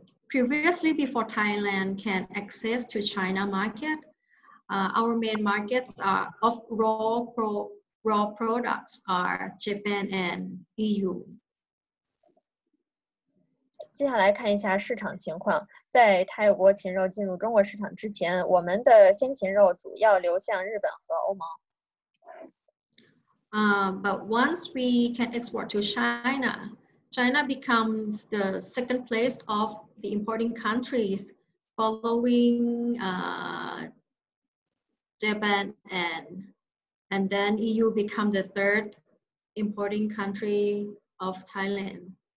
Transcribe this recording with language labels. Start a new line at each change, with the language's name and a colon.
English: Previously, before Thailand can access to China market, our main markets are of raw products are Japan and EU.
Chinese: 接下来看一下市场情况。在泰国禽肉进入中国市场之前，我们的先禽肉主要流向日本和欧盟。
English: But once we can export to China, China becomes the second place of the importing countries following Japan and then EU become the third importing country of Thailand.